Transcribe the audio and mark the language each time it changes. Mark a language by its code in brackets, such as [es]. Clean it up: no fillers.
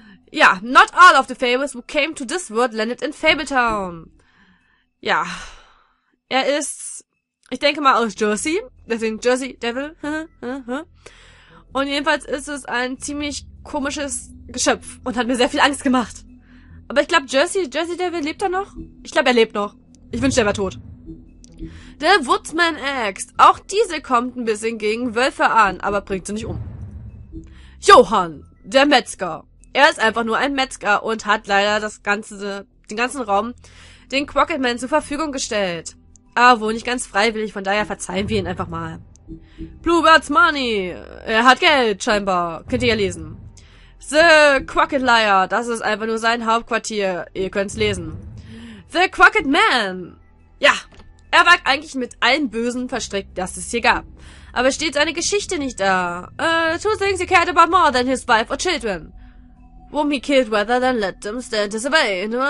[en] Ja, not all of the Fables who came to this world landed in Fabletown. [de] Ja, er ist, ich denke mal, aus Jersey. Deswegen Jersey Devil. Und jedenfalls ist es ein ziemlich komisches Geschöpf und hat mir sehr viel Angst gemacht. Aber ich glaube, Jersey Devil lebt da noch? Ich glaube, er lebt noch. Ich wünschte, er wäre tot. The Woodsman Axe. Auch diese kommt ein bisschen gegen Wölfe an, aber bringt sie nicht um. Johann, der Metzger. Er ist einfach nur ein Metzger und hat leider den ganzen Raum den Crockettman zur Verfügung gestellt. Aber wohl nicht ganz freiwillig, von daher verzeihen wir ihn einfach mal. Bluebird's Money. Er hat Geld, scheinbar. Könnt ihr ja lesen. The Crockett Liar. Das ist einfach nur sein Hauptquartier. Ihr könnt's lesen. [en] The Crockett Man. [de] Ja, er war eigentlich mit allen Bösen verstrickt, das es hier gab. Aber steht seine Geschichte nicht da. [en] Two things he cared about more than his wife or children. Whom he killed rather than let them stand his way.